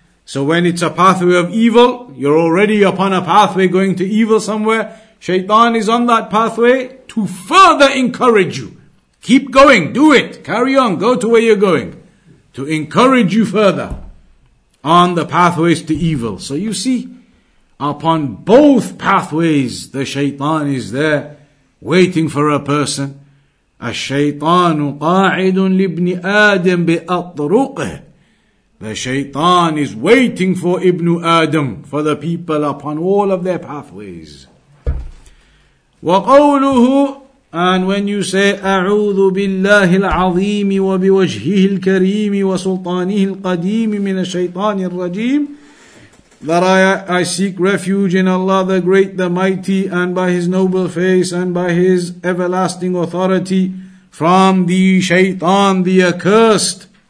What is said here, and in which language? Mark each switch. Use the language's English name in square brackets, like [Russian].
[English] So when it's a pathway of evil, you're already upon a pathway going to evil somewhere, shaitan is on that pathway to further encourage you. Keep going, do it, carry on, go to where you're going. To encourage you further on the pathways to evil. So you see, upon both pathways, the shaitan is there waiting for a person. [Arabic] الشيطان قاعد لابن آدم بأطرقه. [English] The shaitan is waiting for Ibn Adam, for the people upon all of their pathways. [Arabic] وقوله, [English] and when you say [Arabic] أعوذ بالله العظيم وبوجهه الكريم وسلطانه القديم من الشيطان الرجيم, [English] that I seek refuge in Allah the Great, the Mighty, and by His noble face, and by His everlasting authority, from the shaitan, the accursed.